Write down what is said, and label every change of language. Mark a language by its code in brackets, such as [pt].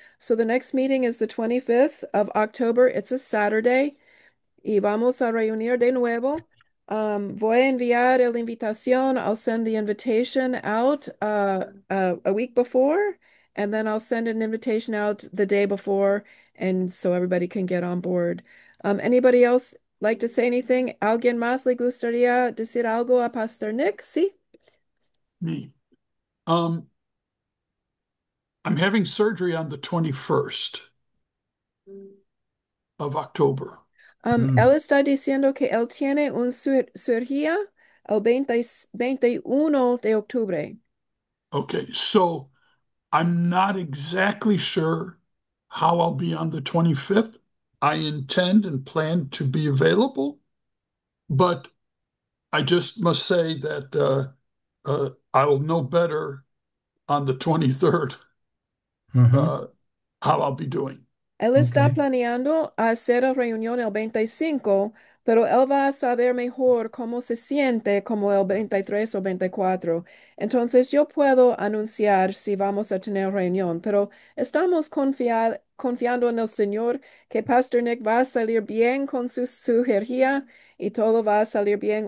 [en] So the next meeting is the 25th of October. It's a Saturday. [es] Y vamos a reunir de nuevo. Voy a enviar el invitación. [en] I'll send the invitation out a week before. And then I'll send an invitation out the day before. And so everybody can get on board. Anybody else like to say anything? [es] ¿Alguien más le gustaría decir algo a Pastor Nick? Sí. [en] me. I'm having surgery on the 21st of October. [es] Él está diciendo que él tiene un cirugía el 21 de octubre. [en] Okay, so I'm not exactly sure how I'll be on the 25th. I intend and plan to be available, but I just must say that I will know better on the 23rd, how I'll be doing. [es] Él está [en] Okay. [es] planeando hacer la reunión el 25, pero él va a saber mejor cómo se siente como el 23 o 24. Entonces yo puedo anunciar si vamos a tener reunión, pero estamos confiando en el Señor que Pastor Nick va a salir bien con su cirugía y todo va a salir bien.